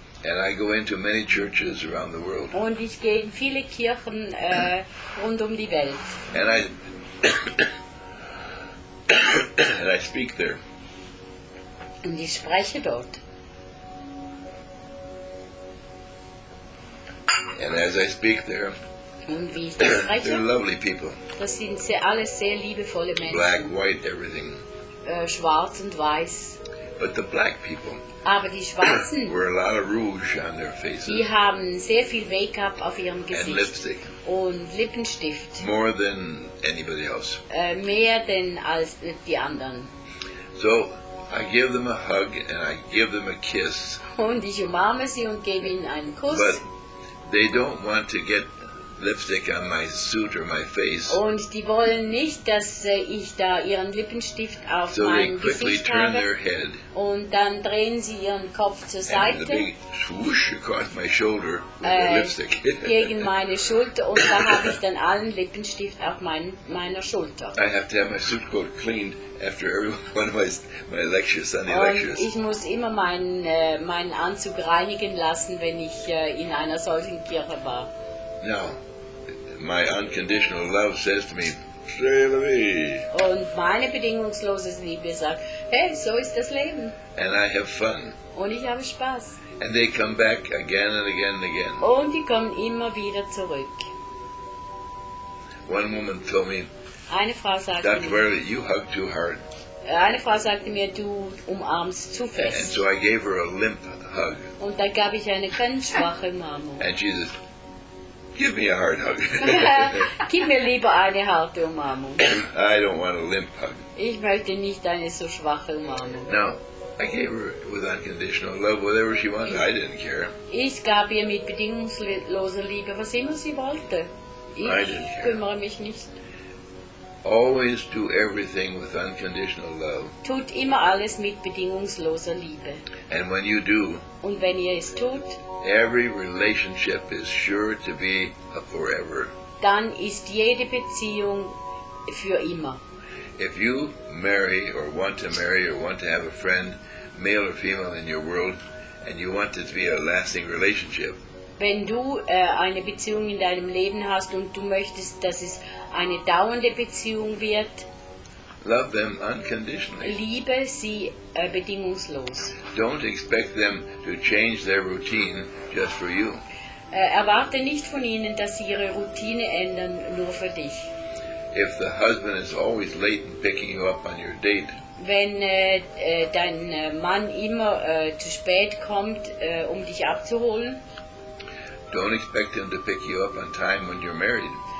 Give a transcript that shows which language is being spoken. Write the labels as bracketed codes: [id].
[en] And I go into many churches around the world. [de] Und ich gehe in viele Kirchen rund um die Welt. [en] And I and I speak there. [de] Und ich spreche dort. [en] And as I speak there, [de] und wie ich da spreche, [en] they're lovely people. [de] Das sind sehr, alles sehr liebevolle Menschen. [en] Black, white, everything. [de] Schwarz und weiß. [en] But the black people, [de] aber die Schwarzen, [en] wear a lot of rouge on their faces. [de] Die haben sehr viel Make-up auf ihrem Gesicht. [en] And lipstick. [de] Und Lippenstift. [en] More than anybody else. [de] Mehr denn als die anderen. [en] So, I give them a hug and I give them a kiss. [de] Und ich umarme sie und gebe ihnen einen Kuss. [en] But they don't want to get lipstick on my suit or my face. [de] Und die wollen nicht, dass ich da ihren Lippenstift auf so mein Gesicht habe. [en] Turn their head. [de] Und dann drehen sie ihren Kopf zur Seite. [en] And the big swoosh across my shoulder with their lipstick. [de] Gegen meine Schulter und da habe ich dann allen Lippenstift auf meiner Schulter. [en] I have to have my suit coat cleaned after every one of my lectures, Sunday lectures. [de] Ich muss immer meinen Anzug reinigen lassen, wenn ich in einer solchen Kirche war. [en] Now, my unconditional love says to me, "C'est la vie." [de] Und meine bedingungslose Liebe sagt, hey, so ist das Leben. [en] And I have fun. [de] Und ich habe Spaß. [en] And they come back again and again and again. [de] Und die kommen immer wieder zurück. [en] One woman told me, [de] eine Frau sagte [en] Dr. Verley, you hug too hard. [de] Eine Frau sagte mir, du umarmst zu fest. [en] And so I gave her a limp hug. [de] Und da gab ich eine ganz schwache Umarmung. [en] And she says, give me a hard hug. [de] Gib mir lieber eine harte Umarmung. [en] I don't want a limp hug. [de] Ich möchte nicht eine so schwache Umarmung. [en] No, I gave her with unconditional love whatever she wanted. I didn't care. [de] Ich gab ihr mit bedingungsloser Liebe, was immer sie wollte. Ich [en] I didn't care. [de] Kümmere mich nicht. [en] Always do everything with unconditional love. [de] Tut immer alles mit bedingungsloser Liebe. [en] And when you do, [de] und wenn ihr es tut, [en] every relationship is sure to be a forever. [de] Dann ist jede Beziehung für immer. [en] If you marry or want to marry or want to have a friend, male or female in your world, and you want it to be a lasting relationship, [de] wenn du eine Beziehung in deinem Leben hast und du möchtest, dass es eine dauernde Beziehung wird, [en] love them unconditionally. [de] Liebe sie bedingungslos. [en] Don't expect them to change their routine just for you. [de] Erwarte nicht von ihnen, dass sie ihre Routine ändern nur für dich. [en] If the husband is always late in picking you up on your date, [de] wenn dein Mann immer zu spät kommt, um dich abzuholen, [en] don't expect him to pick you up on time when you're married.